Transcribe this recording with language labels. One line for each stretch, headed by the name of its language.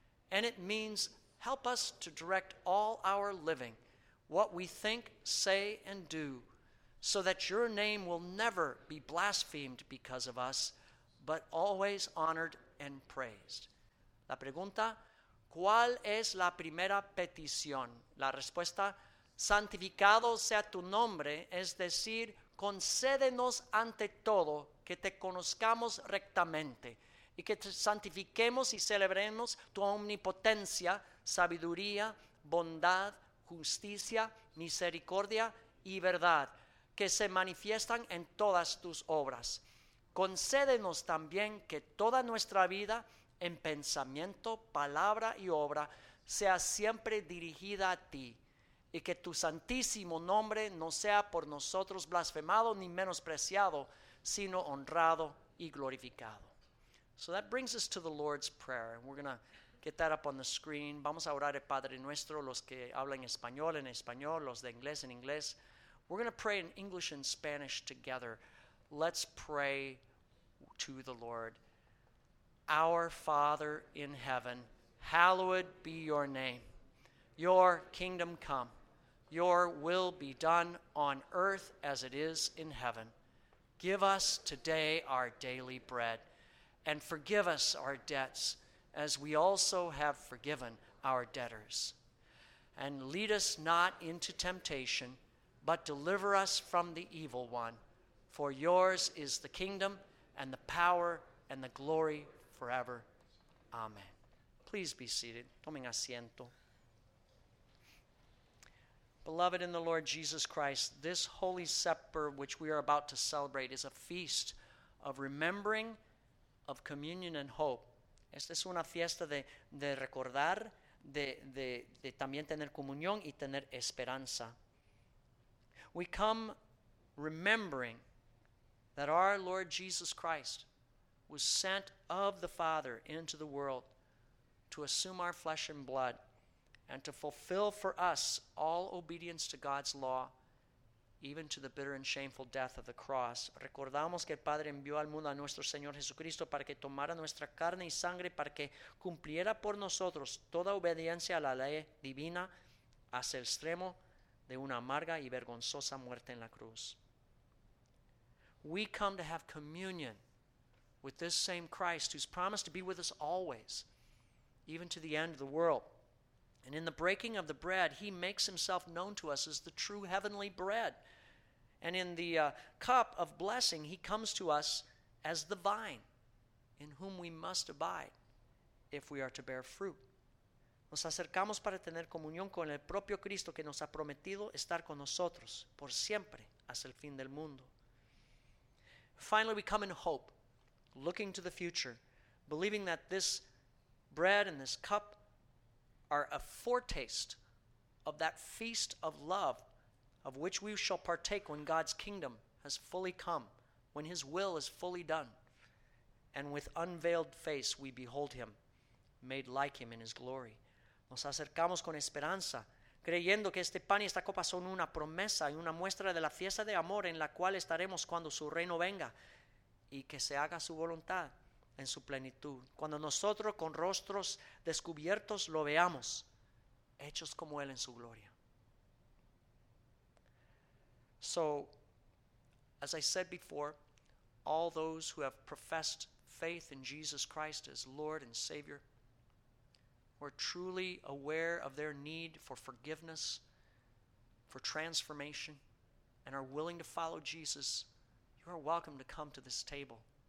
English: And it means help us to direct all our living, what we think, say, and do, so that your name will never be blasphemed because of us, but always honored and praised.
Spanish: La pregunta, ¿cuál es la primera petición? La respuesta, santificado sea tu nombre, es decir, concédenos ante todo que te conozcamos rectamente, y que te santifiquemos y celebremos tu omnipotencia, sabiduría, bondad, justicia, misericordia y verdad, que se manifiestan en todas tus obras. Concédenos también que toda nuestra vida, en pensamiento, palabra y obra, sea siempre dirigida a ti, y que tu santísimo nombre no sea por nosotros blasfemado ni menospreciado, sino honrado y glorificado.
English: So that brings us to the Lord's Prayer, and we're going to get that up on the screen.
Spanish: Vamos a orar el Padre Nuestro, los que hablan en español, los de inglés en inglés.
English: We're going to pray in English and Spanish together. Let's pray to the Lord. Our Father in heaven, hallowed be your name. Your kingdom come, Your will be done on earth as it is in heaven. Give us today our daily bread, and forgive us our debts as we also have forgiven our debtors. And lead us not into temptation, but deliver us from the evil one. For yours is the kingdom and the power and the glory forever. Amen. Please be seated.
Spanish: Tomen asiento.
English: Beloved in the Lord Jesus Christ, this Holy Supper which we are about to celebrate is a feast of remembering, of communion and hope.
Spanish: Esta es una fiesta de recordar, de también tener comunión y tener esperanza.
English: We come remembering that our Lord Jesus Christ was sent of the Father into the world to assume our flesh and blood and to fulfill for us all obedience to God's law, even to the bitter and shameful death of the cross.
Spanish: Recordamos que el Padre envió al mundo a nuestro Señor Jesucristo para que tomara nuestra carne y sangre, para que cumpliera por nosotros toda obediencia a la ley divina hasta el extremo de una amarga y vergonzosa muerte en la cruz.
English: We come to have communion with this same Christ who's promised to be with us always, even to the end of the world. And in the breaking of the bread, he makes himself known to us as the true heavenly bread. And in the cup of blessing, he comes to us as the vine in whom we must abide if we are to bear fruit.
Spanish: Nos acercamos para tener comunión con el propio Cristo que nos ha prometido estar con nosotros por siempre hasta el fin del mundo.
English: Finally, we come in hope, looking to the future, believing that this bread and this cup are a foretaste of that feast of love of which we shall partake when God's kingdom has fully come, when his will is fully done, and with unveiled face we behold him, made like him in his glory.
Spanish: Nos acercamos con esperanza, creyendo que este pan y esta copa son una promesa y una muestra de la fiesta de amor en la cual estaremos cuando su reino venga y que se haga su voluntad en su plenitud. Cuando nosotros con rostros descubiertos lo veamos, hechos como él en su gloria.
English: So, as I said before, all those who have professed faith in Jesus Christ as Lord and Savior, we're truly aware of their need for forgiveness, for transformation, and are willing to follow Jesus, you are welcome to come to this table.